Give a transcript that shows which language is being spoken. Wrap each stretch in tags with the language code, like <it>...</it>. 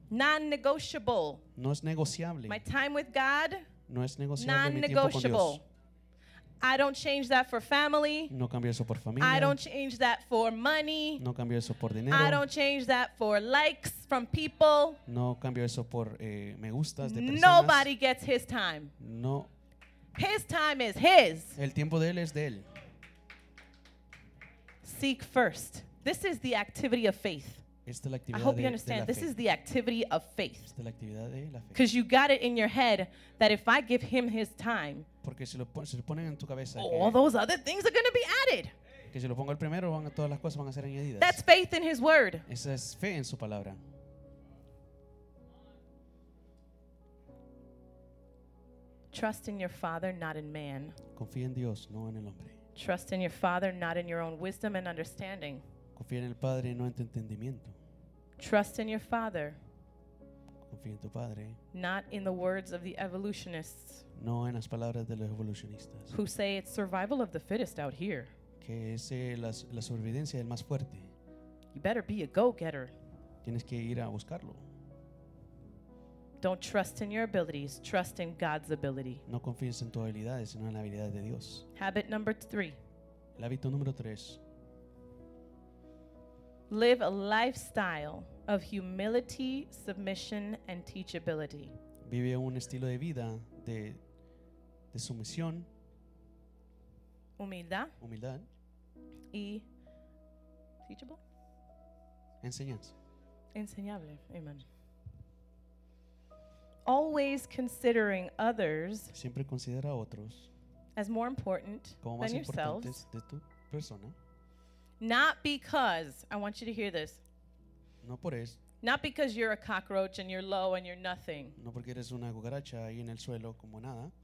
<en>Non-negotiable.</en> <es>No es negociable.</es> <en>My time with God.</en> <es>No es negociable. Non-negotiable.</es> <en>I don't change that for family.</en> <es>No cambio eso por familia.</es> <en>I don't change that for money.</en> <es>No cambio eso por dinero.</es> <en>I don't change that for likes from people.</en> <es>No cambio eso por me gustas de personas.</es> <en>Nobody gets his time.</en> <es>No.</es> <en>His time is his.</en> <es>El tiempo de él es de él.</es> <en>Seek first. This is the activity of faith.</en> <es>Esta es la actividad</es> <en>I hope</en> <es>de,</es> <en>you understand. This</en> <es>fe.</es> <en>Is the activity of faith.</en> <es>Esta es la actividad de la fe.</es> <en>Because you got it in your head that if I give him his time,</en> <es>porque si lo ponen en tu cabeza,</es> <en>all those other things are going to be added.</en> <es>Que si lo pongo el primero, van, todas las cosas van a ser añadidas.</es> <en>That's faith in his word.</en> <es>Esa es fe en su palabra.</es> <en>Trust in your father, not in man.</en> <es>Confía en Dios, no en el hombre.</es> <en>Trust in your father, not in your own wisdom and understanding.</en> <es>Confía en el padre, no en tu entendimiento.</es> <en>Trust in your father.</en> <es>Confía en tu padre.</es> <en>Not in the words of the evolutionists.</en> <es>No en las palabras de los evolucionistas.</es> <en>Who say it's survival of the fittest out here.</en> <es>Que es la sobrevivencia del más fuerte.</es> <en>You better be a go-getter.</en> <es>Tienes que ir a buscarlo.</es> <en>Don't trust in your abilities. Trust in God's ability.</en> <es>No confíes en tus habilidades, sino en la habilidad de Dios.</es> <en>Habit number three.</en> <es>El hábito número tres.</es> <en>Live a lifestyle of humility, submission, and teachability.</en> <es>Vive un estilo de vida de sumisión. Humildad. Y</es> <en>teachable.</en> <es>Enseñanza. Enseñable. Amen.</es> <en>Always considering others.</en> <es>Siempre considera a otros.</es> <en>As more important</en> <es>como</es> <en>than yourselves.</en> <es>De tu persona.</es> <en>Not because, I want you to hear this.</en> <es>No por eso.</es> <en>Not because you're a cockroach and you're low and you're nothing.</en> <es>No porque eres una cucaracha ahí en el suelo como nada.</es>